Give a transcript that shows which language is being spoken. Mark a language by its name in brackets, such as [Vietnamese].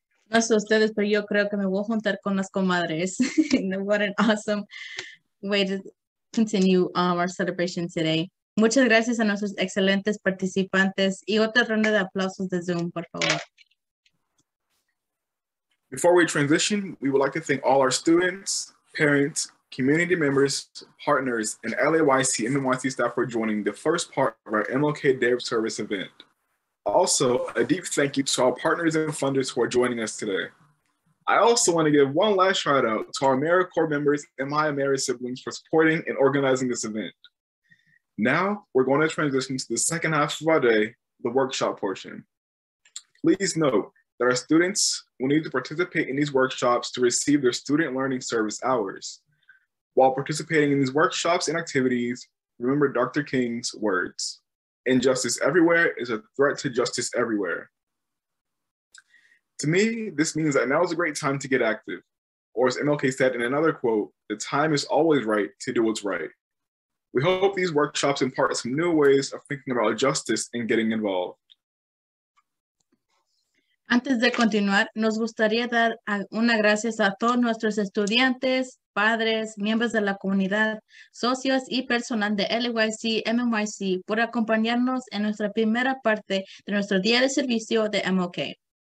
[Spanish] No sé ustedes, pero yo creo que me voy a juntar con las comadres. [English] What an awesome way to continue our celebration today. [Spanish] Muchas gracias a nuestros excelentes participantes y otra ronda de aplausos de Zoom, por favor. [English] Before we transition, we would like to thank all our students, parents, community members, partners, and LAYC MMYC staff for joining the first part of our MLK Day of Service event. Also, a deep thank you to our partners and funders who are joining us today. I also want to give one last shout out to our AmeriCorps members and my Ameri siblings for supporting and organizing this event. Now, we're going to transition to the second half of our day, the workshop portion. Please note that our students will need to participate in these workshops to receive their student learning service hours. While participating in these workshops and activities, remember Dr. King's words, injustice everywhere is a threat to justice everywhere. To me, this means that now is a great time to get active. Or as MLK said in another quote, the time is always right to do what's right. We hope these workshops impart some new ways of thinking about justice and getting involved. [Spanish] Antes de continuar, nos gustaría dar una gracias a todos nuestros estudiantes, padres, miembros de la comunidad, socios y personal de LAYC MMYC por acompañarnos en nuestra primera parte de nuestro día de servicio de MLK.